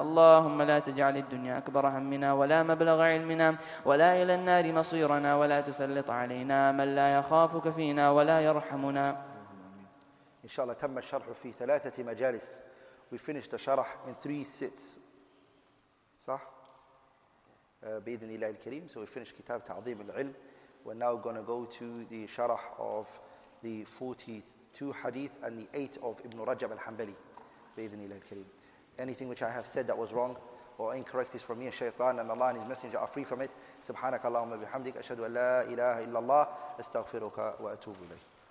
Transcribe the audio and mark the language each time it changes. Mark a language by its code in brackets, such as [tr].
[ar] اللهم لا تجعل الدنيا أكبر همنا ولا مبلغ علمنا ولا إلى النار مصيرنا ولا تسلط علينا من لا يخافك فينا ولا يرحمنا. إن شاء الله تم الشرح في 3 مجالس. [en] We finished the sharh in 3 sits. [ar] صح؟ بإذن الله الكريم. [en] So we finished كتاب تعظيم العلم. We're now going to go to the sharah of the 42 hadith and the 8 of Ibn Rajab al-Hanbali. [ar] بإذن الله الكريم. [en] Anything which I have said that was wrong or incorrect is from me, Shaytan, and Allah and His Messenger are free from it. [ar] سبحانك اللهم بحمدك أشهد أن لا إله إلا الله استغفرك وأتوب إليك.